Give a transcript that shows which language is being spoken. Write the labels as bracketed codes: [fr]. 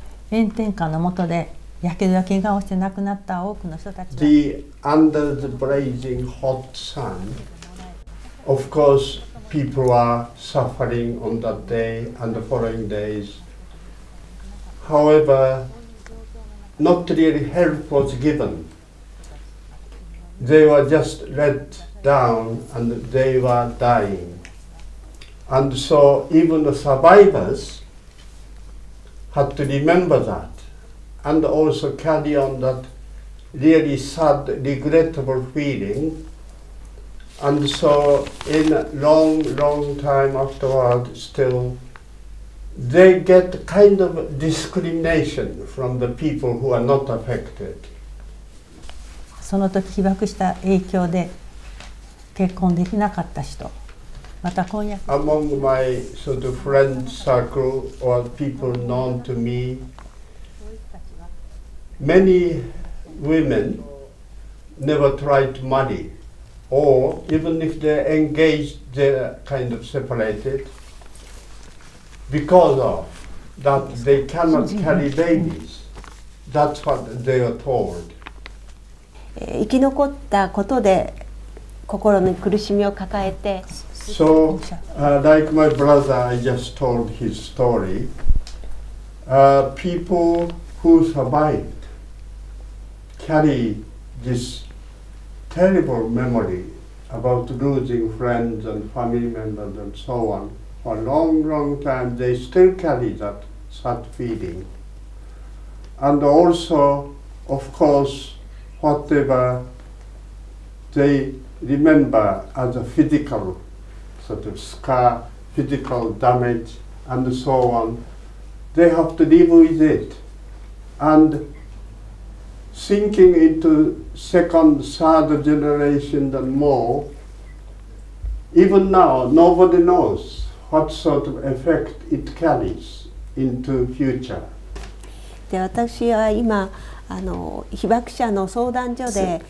[ja] 炎天下の下で火傷や怪我をして亡くなった多くの人たち。 [en] The under the blazing hot sun, of course, people are suffering on that day and the following days. However, not really help was given. They were just let down and they were dying. And so even the survivors had to remember that and also carry on that really sad, regrettable feeling. And so in a long, long time afterward still, they get kind of discrimination from the people who are not affected. [ja] その時被爆した影響で結婚できなかった人。また婚約 [en] Among my sort of friend circle or people known to me, many women never tried to marry, or even if they're engaged, they're kind of separated because of that they cannot carry babies. That's what they are told. [ja] 生き残ったことで心の苦しみを抱えて。 [en] So, like my brother, I just told his story. People who survived carry this terrible memory about losing friends and family members and so on for a long, long time. They still carry that sad feeling. And also, of course, whatever they remember as a physical. Sort of scar, physical damage, and so on. They have to live with it. And sinking into second, third generation and more, even now, nobody knows what sort of effect it carries into future. [ja] で、私は今、あの、被爆者の相談所で、